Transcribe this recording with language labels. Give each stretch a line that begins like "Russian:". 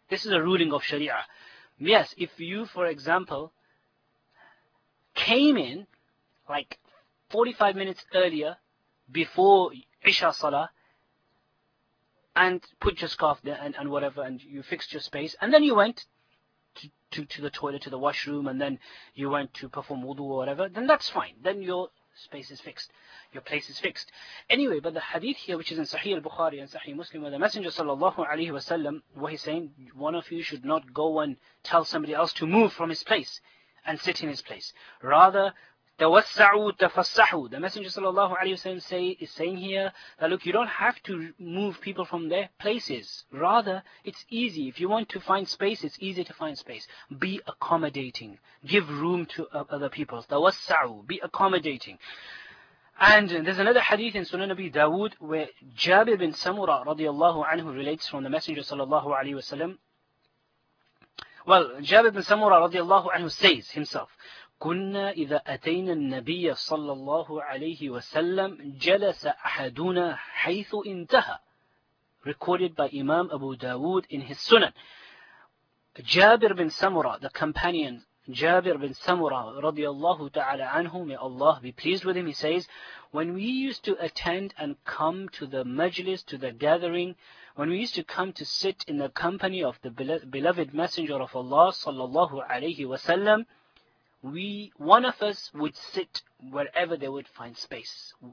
English: This is a ruling of Sharia. Yes, if you, for example, came in like 45 minutes earlier, before Isha Salah, and put your scarf there and whatever, and you fixed your space, and then you went to the toilet, to the washroom, and then you went to perform wudu or whatever, then that's fine. Then your space is fixed. Your place is fixed. Anyway, but the hadith here, which is in Sahih al-Bukhari and Sahih Muslim, where the Messenger sallallahu alayhi wa sallam, what he's saying, one of you should not go and tell somebody else to move from his place and sit in his place. Rather,
Arabic: تَوَسَّعُوا تَفَسَّحُوا.
English: The Messenger sallallahu alayhi wa sallam is saying here that look, you don't have to move people from their places. Rather, it's easy. If you want to find space, it's easy to find space. Be accommodating. Give room to other people. تَوَسَّعُوا. Be accommodating. And there's another hadith in Sunan Abi Dawood where Jabir bin Samura radiallahu anhu relates from the Messenger sallallahu alayhi wa sallam. Well, Jabir bin Samura radiallahu anhu says himself,
Arabic: كنا إذا أتينا النبي صلى الله عليه وسلم جلس أحدنا حيث انتهى.
English: Recorded by Imam Abu Dawood in his Sunan. Jabir bin Samura, the companion, Jabir bin Samura رضي الله تعالى عنه, may Allah be pleased with him, he says, when we used to attend and come to the majlis, to the gathering, when we used to come to sit in the company of the beloved Messenger of Allah صلى الله عليه وسلم, we, one of us would sit wherever they would find space.